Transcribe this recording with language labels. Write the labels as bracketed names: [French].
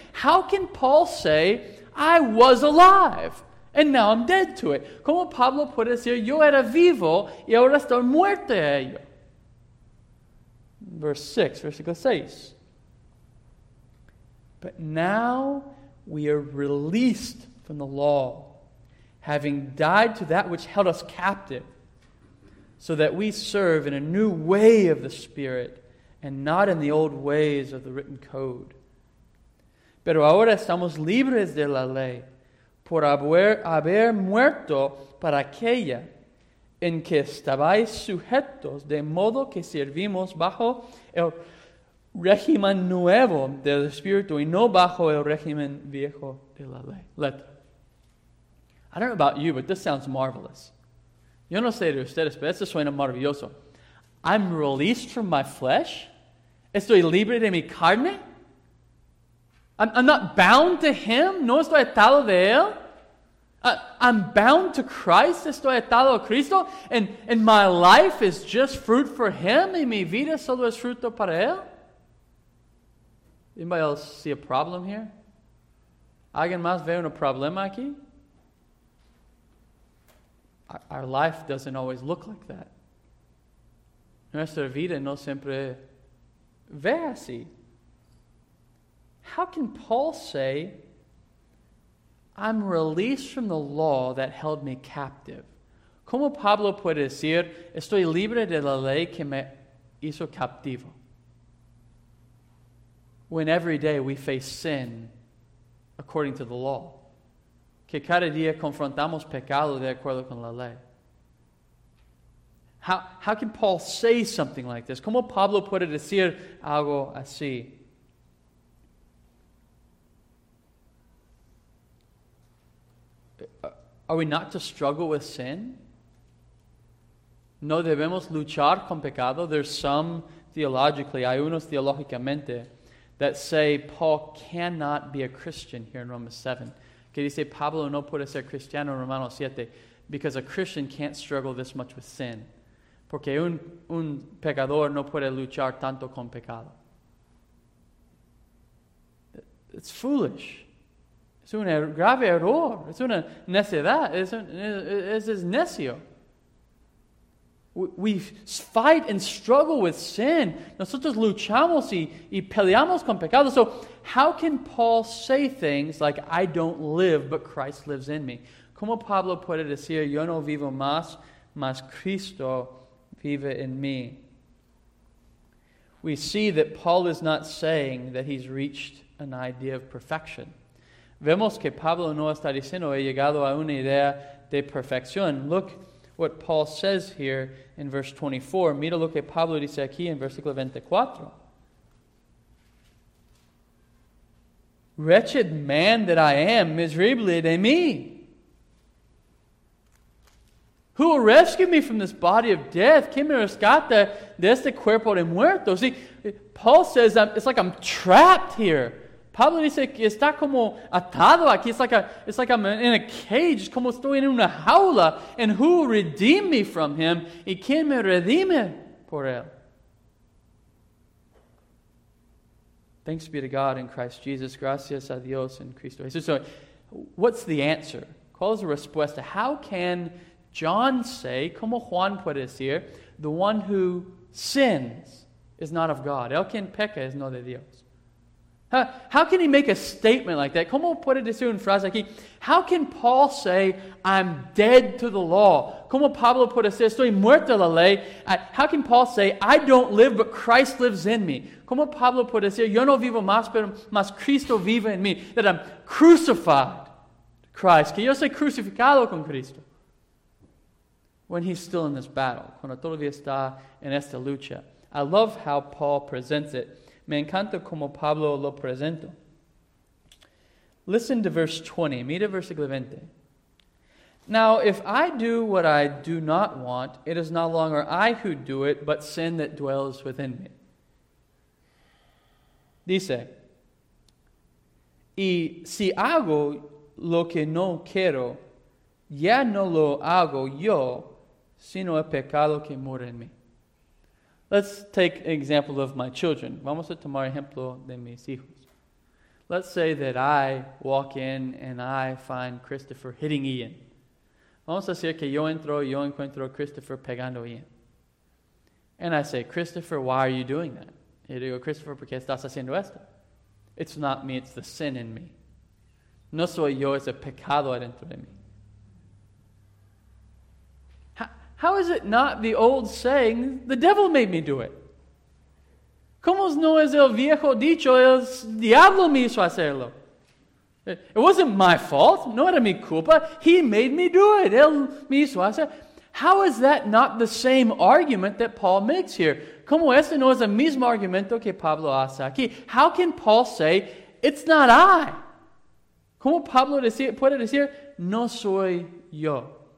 [English] How can Paul say, I was alive, and now I'm dead to it? [Spanish] ¿Cómo Pablo puede decir, yo era vivo, y ahora estoy muerto a ello? Versículo 6. [English] But now we are released from the law, having died to that which held us captive, so that we serve in a new way of the Spirit and not in the old ways of the written code. [Spanish] Pero ahora estamos libres de la ley por haber muerto para aquella en que estabais sujetos, de modo que servimos bajo el régimen nuevo del Espíritu y no bajo el régimen viejo de la ley. [English] I don't know about you, but this sounds marvelous. [Spanish] Yo no sé de ustedes, pero esto suena maravilloso. [English] I'm released from my flesh. [Spanish] Estoy libre de mi carne. [English] I'm not bound to him. [Spanish] No estoy atado de él. [English] I'm bound to Christ. [Spanish] Estoy atado a Cristo. [English] And my life is just fruit for him. [Spanish] Y mi vida solo es fruto para él. [English] Anybody else see a problem here? [Spanish] ¿Alguien más ve un problema aquí? [English] Our life doesn't always look like that. [Spanish] Nuestra vida no siempre ve así. [English] How can Paul say, I'm released from the law that held me captive? [Spanish] ¿Cómo Pablo puede decir, estoy libre de la ley que me hizo captivo? [English] When every day we face sin according to the law. [Spanish] Que cada día confrontamos pecado de acuerdo con la ley. [English] How can Paul say something like this? [Spanish] ¿Cómo Pablo puede decir algo así? [English] Are we not to struggle with sin? [Spanish] ¿No debemos luchar con pecado? [English] There's some theologically, [Spanish] hay unos teológicamente, [English] that say Paul cannot be a Christian here in Romans 7. [Spanish] Que dice Pablo no puede ser cristiano en Romanos 7 [English] because a Christian can't struggle this much with sin. [Spanish] Porque un pecador no puede luchar tanto con pecado. [English] It's foolish. [Spanish] Es un grave error. Es una necedad. Es necio. [English] We fight and struggle with sin. [Spanish] Nosotros luchamos y peleamos con pecado. [English] So how can Paul say things like, I don't live, but Christ lives in me? [Spanish] ¿Cómo Pablo puede decir, yo no vivo más, mas Cristo vive en mí? [English] We see that Paul is not saying that he's reached an idea of perfection. [Spanish] Vemos que Pablo no está diciendo, he llegado a una idea de perfección. [English] Look what Paul says here in verse 24. [Spanish] Mira lo que Pablo dice aquí en versículo 24. [English] Wretched man that I am, miserably [Spanish] de mí. [English] Who will rescue me from this body of death? [Spanish] ¿Quién me rescata de este cuerpo de muerto? [English] See, Paul says, it's like I'm trapped here. [Spanish] Pablo dice que está como atado aquí. [English] It's like I'm in a cage. [Spanish] Es como estoy en una jaula. [English] And who will redeem me from him? [Spanish] ¿Y quién me redime por él? [English] Thanks be to God in Christ Jesus. [Spanish] Gracias a Dios en Cristo Jesús. [English] So, what's the answer? [Spanish] ¿Cuál es la respuesta? [English] How can John say, [Spanish] como Juan puede decir, [English] the one who sins is not of God? [Spanish] El quien peca es no de Dios. [English] How can he make a statement like that? [Spanish] ¿Cómo puede decir una frase aquí? [English] How can Paul say, I'm dead to the law? [Spanish] ¿Cómo Pablo puede decir, estoy muerto a la ley? [English] How can Paul say, I don't live, but Christ lives in me? [Spanish] ¿Cómo Pablo puede decir, yo no vivo más, pero más Cristo vive en mí? [English] That I'm crucified to Christ. [Spanish] Que yo soy crucificado con Cristo. [English] When he's still in this battle. [Spanish] Cuando todavía está en esta lucha. [English] I love how Paul presents it. [Spanish] Me encanta como Pablo lo presenta. [English] Listen to verse 20. [Spanish] Mira versículo 20. [English] Now, if I do what I do not want, it is no longer I who do it, but sin that dwells within me. [Spanish] Dice, y si hago lo que no quiero, ya no lo hago yo, sino el pecado que mora en mí. [English] Let's take an example of my children. [Spanish] Vamos a tomar ejemplo de mis hijos. [English] Let's say that I walk in and I find Christopher hitting Ian. [Spanish] Vamos a decir que yo entro y yo encuentro Christopher pegando a Ian. [English] And I say, Christopher, why are you doing that? [Spanish] Y digo, Christopher, ¿por qué estás haciendo esto? [English] It's not me, it's the sin in me. [Spanish] No soy yo, es el pecado adentro de mí. [English] How is it not the old saying, the devil made me do it? [Spanish] ¿Cómo no es el viejo dicho? El diablo me hizo hacerlo. [English] It wasn't my fault. [Spanish] No era mi culpa. [English] He made me do it. [Spanish] Él me hizo hacerlo. [English] How is that not the same argument that Paul makes here? [Spanish] ¿Cómo ese no es el mismo argumento que Pablo hace aquí? [English] How can Paul say, it's not I? [Spanish] ¿Cómo Pablo puede decir, no soy yo?